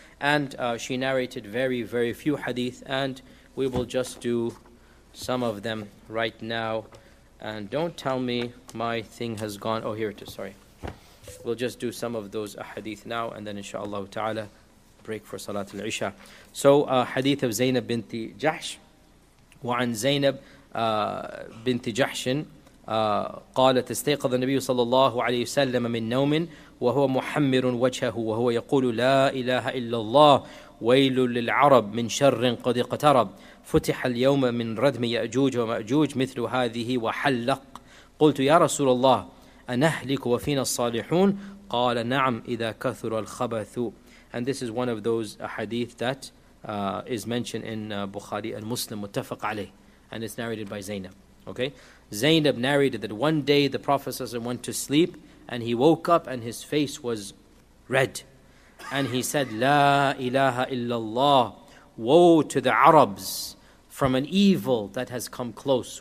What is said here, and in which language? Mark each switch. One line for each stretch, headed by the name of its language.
English: And she narrated very, very few hadith. And we will just do some of them right now. And don't tell me my thing has gone. Oh, here it is, sorry. We'll just do some of those hadith now, and then inshallah ta'ala, break for Salat al-Isha. So, hadith of Zainab binti Jahsh.
Arabic: وعن زينب بنت جحش قالت استيقظ النبي صلى الله عليه وسلم من نوم وهو محمر وجهه وهو يقول لا إله إلا الله ويل للعرب من شر قد اقترب فتح اليوم من ردم يأجوج ومأجوج مثل هذه وحلق قلت يا رسول الله أنهلك وفينا الصالحون قال نعم إذا كثر الخبث.
English: And this is one of those hadith that is mentioned in Bukhari and Muslim, muttafaq alayh, and it's narrated by Zainab. Okay, Zainab narrated that one day the Prophet ﷺ went to sleep and he woke up and his face was red, and he said,
Arabic: "La ilaha illallah,
English: woe to the Arabs from an evil that has come close.